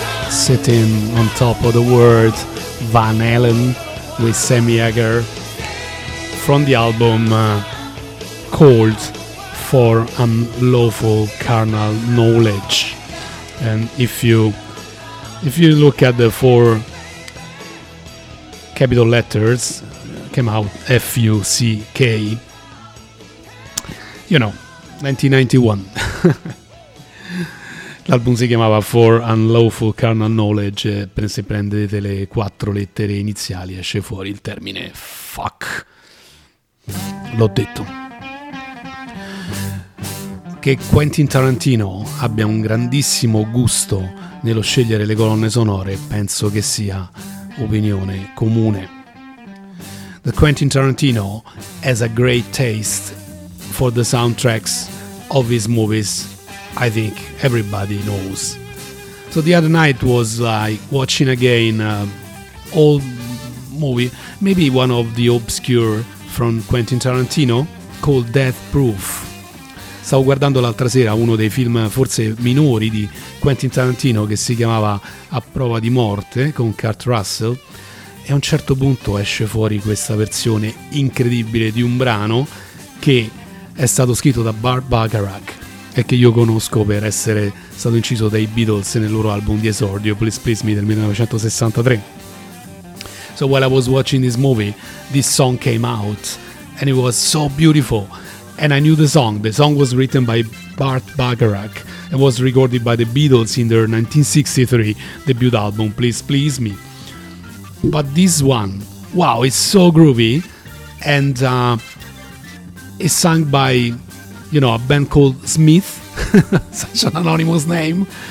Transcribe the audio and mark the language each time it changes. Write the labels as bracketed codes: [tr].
[en] Sitting on top of the world, Van Halen with Sammy Hagar from the album called For Unlawful Carnal Knowledge. And if you look at the four capital letters, came out F-U-C-K, you know, 1991. [it] L'album si chiamava For Unlawful Carnal Knowledge, se prendete le quattro lettere iniziali esce fuori il termine fuck. L'ho detto. Che Quentin Tarantino abbia un grandissimo gusto nello scegliere le colonne sonore penso che sia opinione comune. [en] The Quentin Tarantino has a great taste for the soundtracks of his movies, I think everybody knows. So the other night was like watching again old movie, maybe one of the obscure from Quentin Tarantino, called Death Proof. [it] Stavo guardando l'altra sera uno dei film forse minori di Quentin Tarantino che si chiamava A Prova di Morte con Kurt Russell, e a un certo punto esce fuori questa versione incredibile di un brano che è stato scritto da Burt Bacharach e che io conosco per essere stato inciso dai Beatles nel loro album di esordio Please Please Me del 1963. [en] So while I was watching this movie, this song came out and it was so beautiful, and I knew the song. The song was written by Burt Bacharach and was recorded by the Beatles in their 1963 debut album Please Please Me. But this one, wow, it's so groovy, and it's sung by, you know, a band called Smith, such an anonymous name.